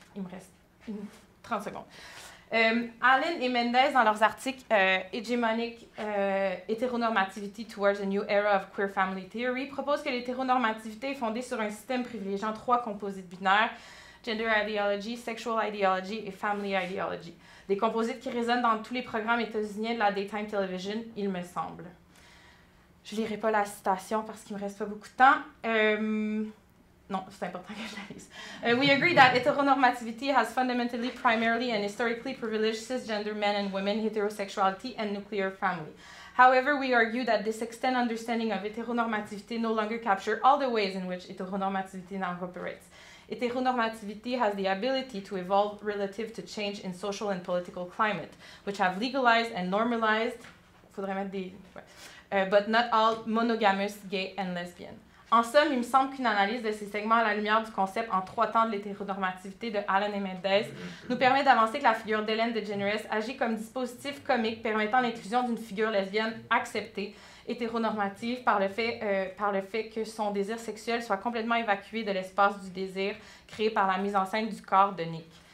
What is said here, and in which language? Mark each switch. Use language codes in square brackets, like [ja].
[fr] Il me reste 30 secondes. Allen et Mendez, dans leurs articles Hegemonic Heteronormativity Towards a New Era of Queer Family Theory, proposent que l'hétéronormativité est fondée sur un système privilégiant trois composites binaires, Gender Ideology, Sexual Ideology et Family Ideology, des composites qui résonnent dans tous les programmes états-uniens de la Daytime Television, il me semble. Je ne lirai pas la citation parce qu'il ne me reste pas beaucoup de temps. Non, c'est important que je la lise. [en] We agree that heteronormativity has fundamentally, primarily, and historically privileged cisgender men and women, heterosexuality, and nuclear family. However, we argue that this extended understanding of heteronormativity no longer captures all the ways in which heteronormativity now operates. Heteronormativity has the ability to evolve relative to change in social and political climate, which have legalized and normalized, [fr] faudrait mettre des, [en] but not all monogamous, gay, and lesbian. [fr] En somme, il me semble qu'une analyse de ces segments à la lumière du concept en trois temps de l'hétéronormativité de Allen et Mendez nous permet d'avancer que la figure d'Hélène DeGeneres agit comme dispositif comique permettant l'inclusion d'une figure lesbienne acceptée, hétéronormative, par le fait que son désir sexuel soit complètement évacué de l'espace du désir créé par la mise en scène du corps de Nick.